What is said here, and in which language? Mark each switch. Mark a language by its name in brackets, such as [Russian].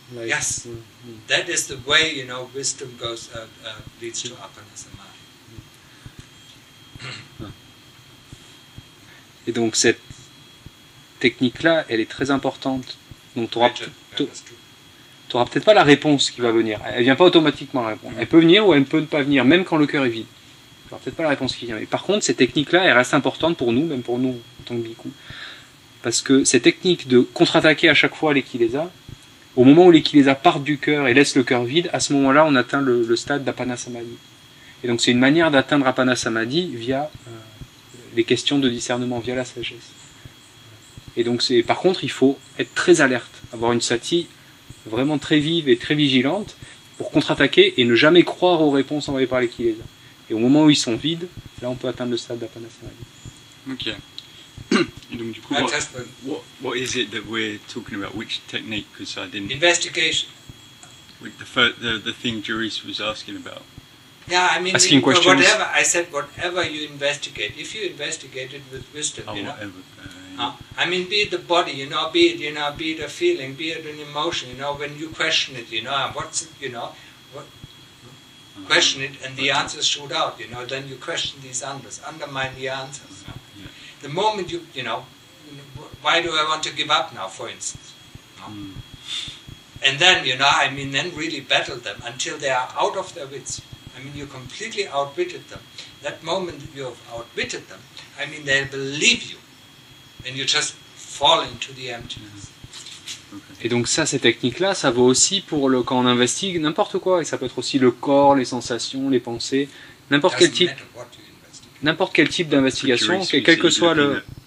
[English] Like, yes, that is the way, you know, wisdom goes leads to apana samadhi. [French] Et donc cette technique-là, elle est très importante. Donc tu n'auras peut-être pas la réponse qui va venir. Elle ne vient pas automatiquement, la réponse. Elle peut venir ou elle peut ne pas venir, même quand le cœur est vide. Tu n'auras peut-être pas la réponse qui vient. Mais par contre, cette technique-là, elle reste importante pour nous, même pour nous, en tant que bhikkhu. Parce que cette technique de contre-attaquer à chaque fois les kilesas, au moment où les kilesas partent du cœur et laissent le cœur vide, à ce moment-là, on atteint le stade d'apana samadhi. Et donc c'est une manière d'atteindre apana samadhi via... les questions de discernement via la sagesse. Et donc, c'est, par contre, il faut être très alerte, avoir une sati vraiment très vive et très vigilante pour contre-attaquer et ne jamais croire aux réponses envoyées par les kilesas. Et au moment où ils sont vides, là, on peut atteindre le stade d'apana samadhi. Ok. Et donc, du coup, [English] what is it that we're talking about? Which technique? Because I didn't... Investigation. The thing Juris was asking about. Yeah, I mean, asking questions. Whatever I said, whatever you investigate, if you investigate it with wisdom, I mean, be it the body, you know, be it a feeling, be it an emotion, you know, when you question it, you know, what's it, you know, what, question it, and the answers shoot out, you know, then you question these answers, undermine the answers. You know? Yeah. The moment you know, why do I want to give up now, for instance? You know? And then, you know, I mean, then really battle them until they are out of their wits. I mean, you completely outwitted them. That moment you have outwitted them, I mean, they will leave you. And you just fall into the emptiness. [French] Et donc ça, ces techniques-là, ça vaut aussi pour le, quand on investigue n'importe quoi. Et ça peut être aussi le corps, les sensations, les pensées. N'importe quel type d'investigation, quel que soit le...